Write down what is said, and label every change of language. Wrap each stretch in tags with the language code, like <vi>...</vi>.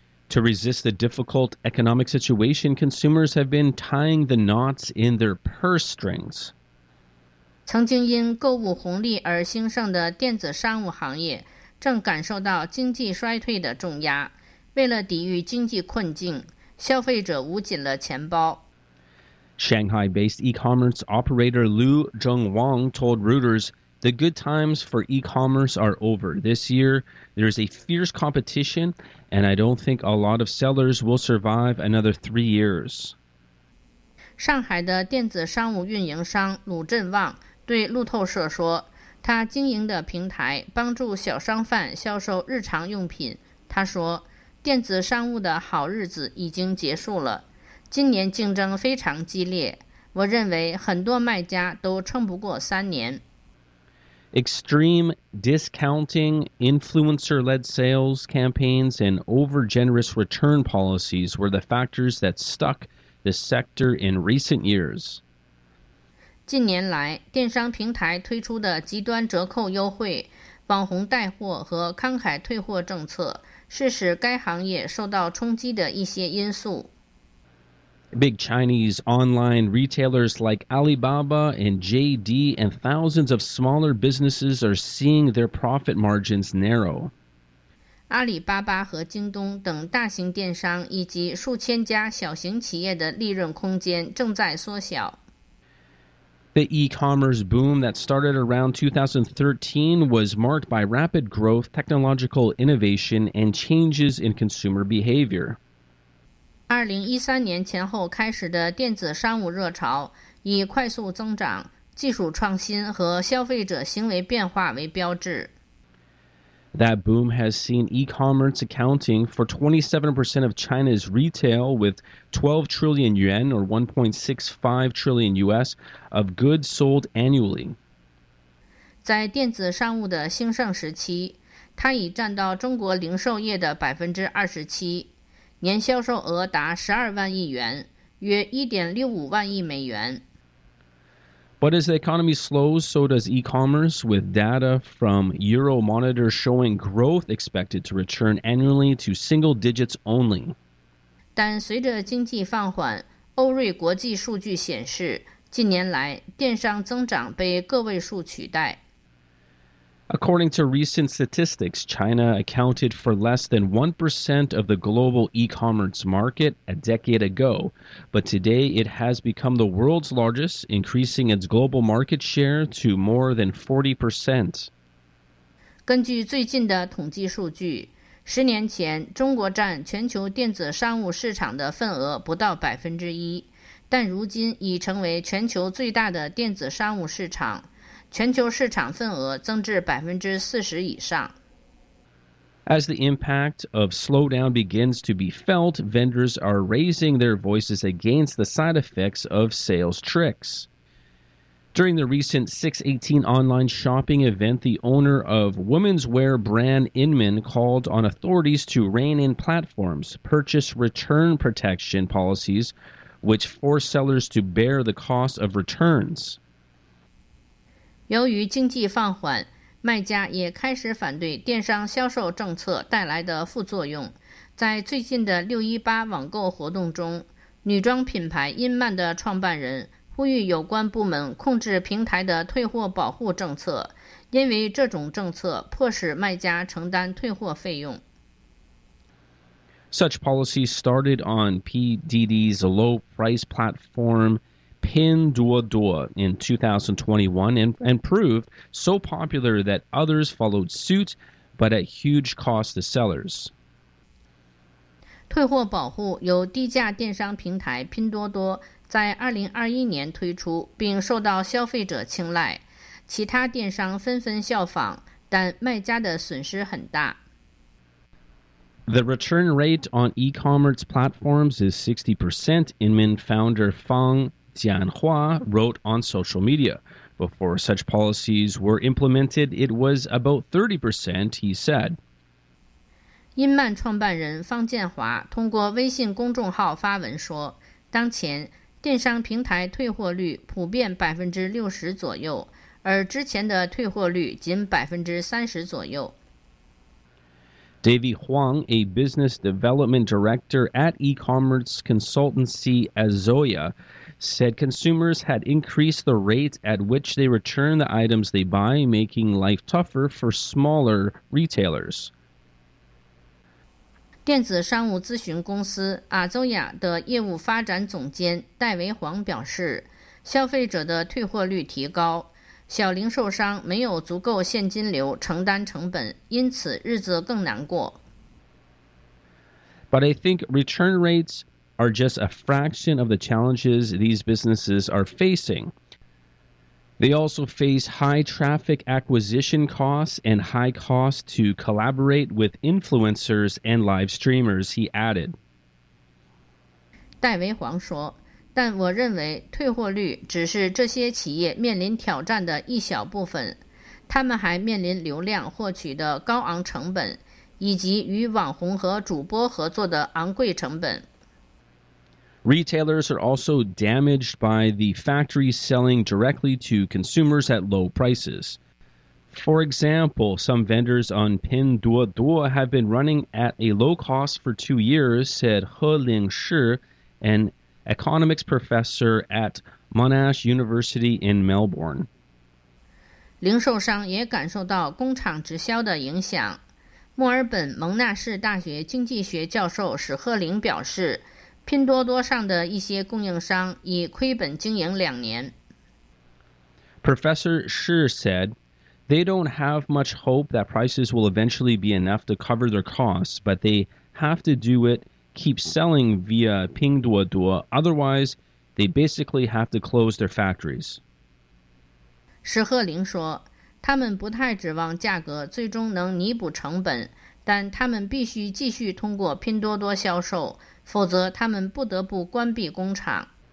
<en>To resist the difficult economic situation, consumers have been tying the knots in their purse strings.</en> <zh>曾经因购物红利而兴盛的电子商务行业正感受到经济衰退的重压。为了抵御经济困境，消费者捂紧了钱包。</zh> <en>Shanghai-based e-commerce operator Liu Zhengwang told Reuters, "The good times for e-commerce are over. This year, there is a fierce competition, and I don't think a lot of sellers will survive another 3 years."</en> <zh>上海的电子商务运营商鲁振旺对路透社说，他经营的平台帮助小商贩销售日常用品。他说，电子商务的好日子已经结束了。今年竞争非常激烈，我认为很多卖家都撑不过三年。</zh> <en>Extreme discounting, influencer-led sales campaigns, and over-generous return policies were the factors that stuck the sector in recent years.</en> <zh>近年来，电商平台推出的极端折扣优惠、网红带货和慷慨退货政策，是使该行业受到冲击的一些因素。</zh> <en>Big Chinese online retailers like Alibaba and JD and thousands of smaller businesses are seeing their profit margins narrow.</en> <zh>阿里巴巴和京东等大型电商以及数千家小型企业的利润空间正在缩小。</zh> <en>The e-commerce boom that started around 2013 was marked by rapid growth, technological innovation, and changes in consumer behavior.</en> <zh>2013年前后开始的电子商务热潮以快速增长、技术创新和消费者行为变化为标志。</zh> <en>That boom has seen e-commerce accounting for 27% of China's retail with 12 trillion yuan or 1.65 trillion US of goods sold annually.</en> <zh>在电子商务的兴盛时期，它已占到中国零售业的 27%。年销售额达12万亿元，约1.65万亿美元。</zh> <en>But as the economy slows, so does e-commerce, with data from Euromonitor showing growth expected to return annually to single digits only.</en> <zh>但随着经济放缓，欧瑞国际数据显示，近年来电商增长被个位数取代。</zh> <en>According to recent statistics, China accounted for less than 1% of the global e-commerce market a decade ago, but today it has become the world's largest, increasing its global market share to more than 40%.</en> <zh>根据最近的统计数据，十年前中国占全球电子商务市场的份额不到1%，但如今已成为全球最大的电子商务市场。全球市场份额增至40%以上。</zh> <en>As the impact of slowdown begins to be felt, vendors are raising their voices against the side effects of sales tricks. During the recent 618 online shopping event, the owner of women's wear brand Inman called on authorities to rein in platforms, purchase return protection policies, which force sellers to bear the cost of returns.</en> <zh>由于经济放缓，卖家也开始反对电商销售政策带来的副作用。在最近的618网购活动中，女装品牌 Inman 的创办人呼吁有关部门控制平台的退货保护政策，因为这种政策迫使卖家承担退货费用。</zh> <en>Such policies started on PDD's low price platformPinduoduo in 2021 and proved so popular that others followed suit, but at huge cost to sellers.</en> <zh>退货保护由低价电商平台拼多多在2021年推出并受到消费者青睐，其他电商纷纷效仿，但卖家的损失很大。</zh> <en>The return rate on e-commerce platforms is 60%, Inman founder Fang Jianhua wrote on social media. Before such policies were implemented, it was about 30%, he said.</en> <zh>Inman 创办人方建华通过微信公众号发文说，当前电商平台退货率普遍60%左右，而之前的退货率仅30%左右。</zh> <en>David Huang, a business development director at e-commerce consultancy Azoya, said consumers had increased the rate at which they return the items they buy, making life tougher for smaller retailers.</en> <zh>电子商务咨询公司 Azoya 的业务发展总监戴维黄表示，消费者的退货率提高，小零售商没有足够现金流承担成本，因此日子更难过。</zh> <en>But I think return rates are just a fraction of the challenges these businesses are facing. They also face high traffic acquisition costs and high costs to collaborate with influencers and live streamers, he added.</en> <zh>戴维黄说，但我认为退货率只是这些企业面临挑战的一小部分，他们还面临流量获取的高昂成本，以及与网红和主播合作的昂贵成本。</zh> <en>Retailers are also damaged by the factories selling directly to consumers at low prices. For example, some vendors on Pinduoduo have been running at a low cost for 2 years, said He Lingshi, an economics professor at Monash University in Melbourne.</en> <zh>零售商也感受到工厂直销的影响。墨尔本蒙纳士大学经济学教授史赫林表示，拼多多上的一些供应商已亏本经营2年。</zh> <en>Professor Shi said, they don't have much hope that prices will eventually be enough to cover their costs, but they have to do it, keep selling via Pinduoduo, otherwise they basically have to close their factories.</en> <zh>史赫林说，他们不太指望价格最终能弥补成本，但他们必须继续通过拼多多销售，否则他们不得不关闭工厂。</zh>